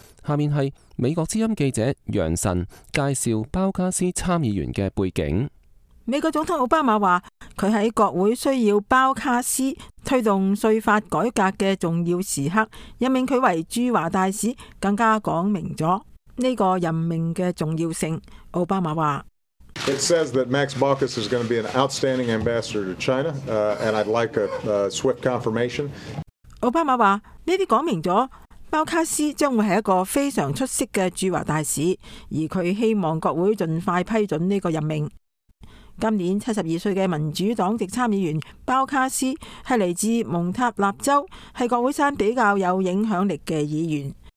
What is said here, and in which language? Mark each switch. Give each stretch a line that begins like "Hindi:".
Chinese: 下面是美国之音记者杨晨介绍鲍卡斯参议员的背景。美国总统奥巴马说，他在国会需要鲍卡斯推动税法改革的重要时刻，任命他为驻华大使更加讲明了这个任命的重要性。奥巴马说
English: It says that Max Baucus is going to be an outstanding ambassador to China, and I'd like a swift confirmation.
Chinese: 奥巴马说，这些讲明了鲍卡斯将会是一个非常出色的驻华大使，而他希望国会尽快批准这个任命。今年72岁的民主党籍参议员鲍卡斯是来自蒙塔纳州，是国会山比较有影响力的议员。